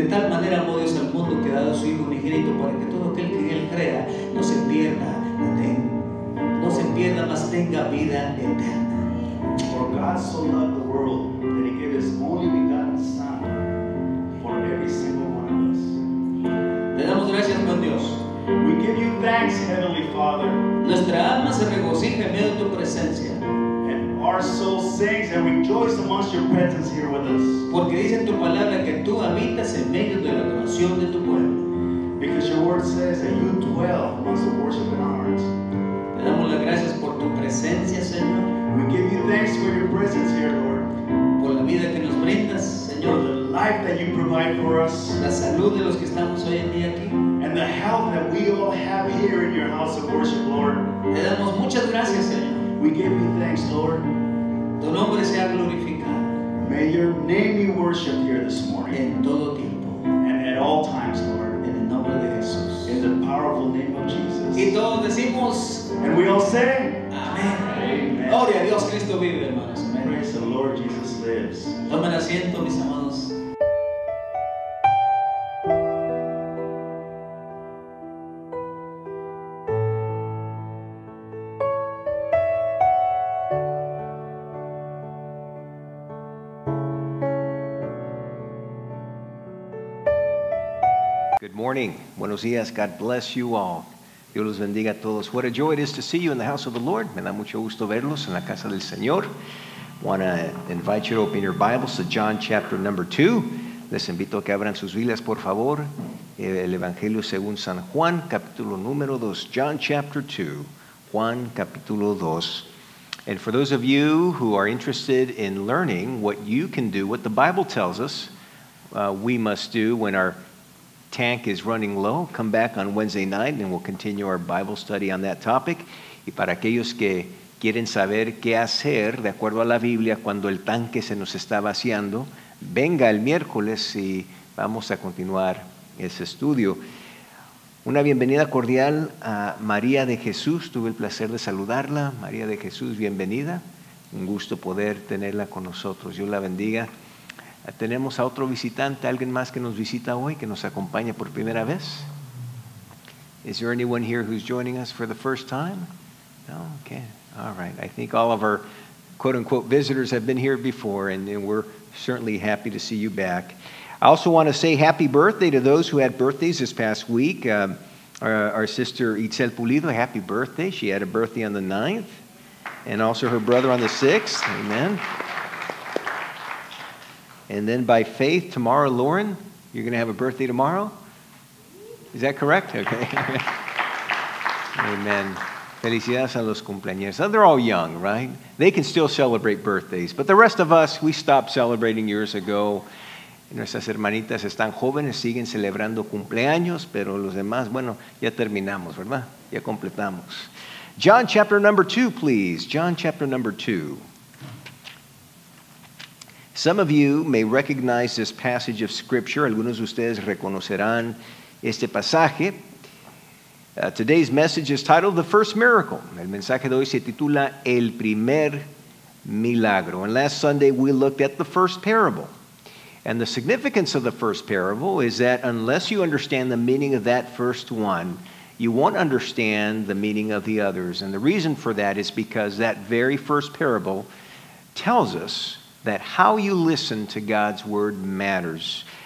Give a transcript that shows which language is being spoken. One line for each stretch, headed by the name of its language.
Spanish: manera amó Dios al mundo que ha dado a su Hijo unigénito para que todo aquel que en él crea no se pierda, mas tenga vida eterna.
English: For God so loved the world that he gave his only begotten Son for every single one of us.
Spanish: Te damos gracias, buen Dios.
English: We give you thanks, Heavenly Father.
Spanish: Nuestra alma se regocija en medio de tu presencia.
English: Our soul sings and rejoices amongst your presence here with us.
Spanish: Porque dice tu palabra que tú habitas en medio de la adoración de tu pueblo.
English: Because your word says that you dwell amongst the worship in our hearts.
Spanish: Te damos las gracias por tu presencia, Señor.
English: We give you thanks for your presence here, Lord.
Spanish: Por la vida que nos brindas, Señor.
English: For the life that you provide for us.
Spanish: La salud de los que estamos hoy en día aquí.
English: And the health that we all have here in your house of worship, Lord.
Spanish: Te damos muchas gracias, Señor.
English: We give you thanks, Lord.
Spanish: Tu nombre sea glorificado.
English: May your name be worshipped here this morning.
Spanish: En todo tiempo.
English: And at all times, Lord.
Spanish: En el nombre de Jesús.
English: In the powerful name of Jesus.
Spanish: Y todos decimos,
English: and we all say,
Spanish: amen. Amen. Gloria a Dios, Cristo vive, hermanos. Amen.
English: Praise the Lord, Jesus lives.
Spanish: Tomen asiento, mis amados. Buenos días.
English: God bless you all.
Spanish: Dios los bendiga a todos.
English: What a joy it is to see you in the house of the Lord.
Spanish: Me da mucho gusto verlos en la casa del Señor.
English: Want to invite you to open your Bibles to John chapter number 2.
Spanish: Les invito a que abran sus Biblias, por favor. El Evangelio según San Juan, capítulo número 2.
English: John chapter 2.
Spanish: Juan, capítulo 2.
English: And for those of you who are interested in learning what you can do, what the Bible tells us we must do when our tank is running low, come back on Wednesday night and we'll continue our Bible study on that topic.
Spanish: Y para aquellos que quieren saber qué hacer de acuerdo a la Biblia cuando el tanque se nos está vaciando, venga el miércoles y vamos a continuar ese estudio. Una bienvenida cordial a María de Jesús. Tuve el placer de saludarla. María de Jesús, bienvenida. Un gusto poder tenerla con nosotros. Dios la bendiga. Tenemos a otro visitante, alguien más que nos visita hoy, que nos acompaña por primera vez.
English: Is there anyone here who's joining us for the first time? No? Okay. All right. I think all of our quote-unquote visitors have been here before, and we're certainly happy to see you back. I also want to say happy birthday to those who had birthdays this past week. Our sister Itzel Pulido, happy birthday. She had a birthday on the 9th, and also her brother on the 6th. Amen. And then by faith, tomorrow, Lauren, you're going to have a birthday tomorrow? Is that correct? Okay. Amen.
Spanish: Felicidades a los cumpleaños.
English: They're all young, right? They can still celebrate birthdays. But the rest of us, we stopped celebrating years ago.
Spanish: Nuestras hermanitas están jóvenes, siguen celebrando cumpleaños, pero los demás, bueno, ya terminamos, ¿verdad? Ya completamos.
English: John chapter number 2, please. John chapter number 2. Some of you may recognize this passage of Scripture.
Spanish: Algunos de ustedes reconocerán este pasaje.
English: Today's message is titled, The First Miracle.
Spanish: El mensaje de hoy se titula, El Primer Milagro.
English: And last Sunday, we looked at the first parable. And the significance of the first parable is that unless you understand the meaning of that first one, you won't understand the meaning of the others. And the reason for that is because that very first parable tells us that how you listen to God's word matters.